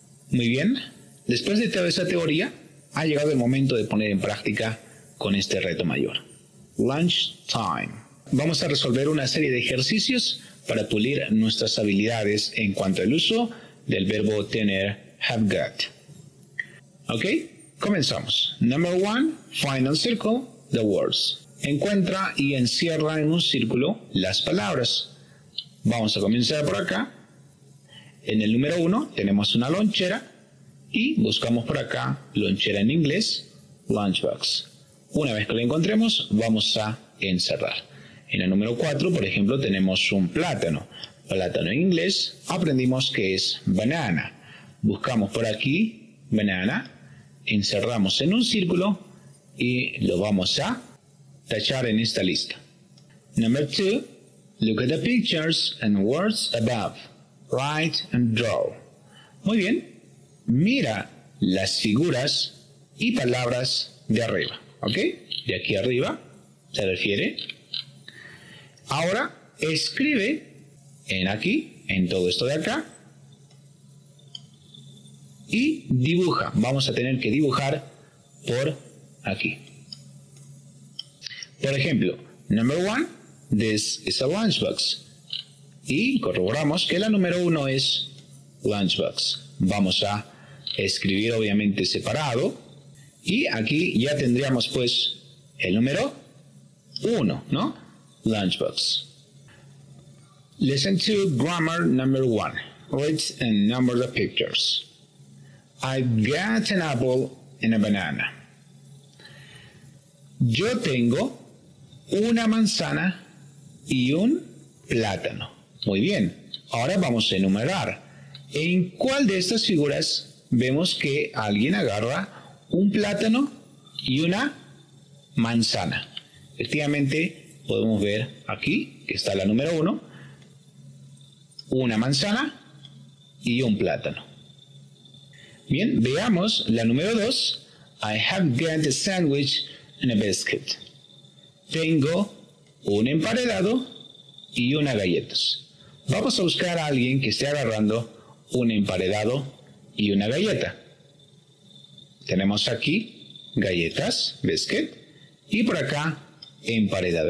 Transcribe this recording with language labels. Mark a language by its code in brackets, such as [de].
[es] Muy bien, después de toda esa teoría, ha llegado el momento de poner en práctica con este reto mayor. [en] Lunch time. [es] Vamos a resolver una serie de ejercicios para pulir nuestras habilidades en cuanto al uso del verbo tener, have got. Ok, comenzamos. [en] Number one, find and circle the words. [es] Encuentra y encierra en un círculo las palabras. Vamos a comenzar por acá. En el número 1 tenemos una lonchera y buscamos por acá, lonchera en inglés, lunchbox. Una vez que lo encontremos, vamos a encerrar. En el número 4, por ejemplo, tenemos un plátano. Plátano en inglés, aprendimos que es banana. Buscamos por aquí, banana, encerramos en un círculo y lo vamos a tachar en esta lista. [en] Number 2, look at the pictures and words above. Write and draw. [es] Muy bien, mira las figuras y palabras de arriba, ¿ok? De aquí arriba se refiere. Ahora escribe en aquí, en todo esto de acá, y dibuja. Vamos a tener que dibujar por aquí. Por ejemplo, [en] number one, this is a lunchbox. [es] Y corroboramos que la número 1 es lunchbox. Vamos a escribir obviamente separado. Y aquí ya tendríamos pues el número 1, ¿no? [en] Lunchbox. Listen to grammar number 1. Read and number the pictures. I've got an apple and a banana. [es] Yo tengo una manzana y un plátano. Muy bien, ahora vamos a enumerar. ¿En cuál de estas figuras vemos que alguien agarra un plátano y una manzana? Efectivamente, podemos ver aquí, que está la número 1, una manzana y un plátano. Bien, veamos la número 2. [en] I have got a sandwich and a biscuit. [es] Tengo un emparedado y unas galletas. Vamos a buscar a alguien que esté agarrando un emparedado y una galleta. Tenemos aquí galletas, biscuit, y por acá emparedado.